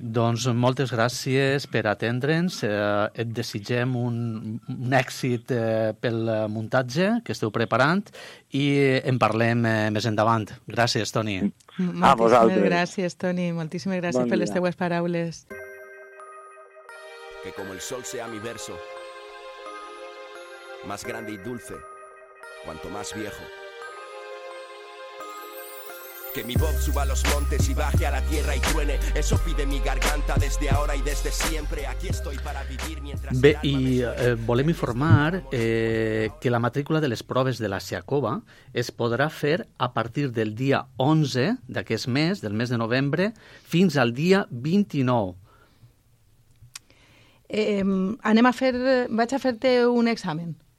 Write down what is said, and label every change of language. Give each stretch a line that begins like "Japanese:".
Catalan: Doncs moltes gràcies per atendre'ns. Et desitgem un èxit pel muntatge que esteu preparant i en parlem més endavant. Gràcies, Toni. Moltíssimes gràcies, Toni. Moltíssimes gràcies per les teues paraules.
Spanish: Que como el sol sea mi verso, más grande y dulce, cuanto más viejo. Que mi voz suba a los montes y baje a la tierra y truene. Eso pide mi garganta desde ahora y desde siempre. Aquí estoy para vivir mientras...
Catalan: Bé, i volem informar que la matrícula de les proves de la Siacoba es podrà fer a partir del dia 11 d'aquest mes, del mes de novembre, fins al dia 29. Anem a fer... Vaig a fer-te un examen.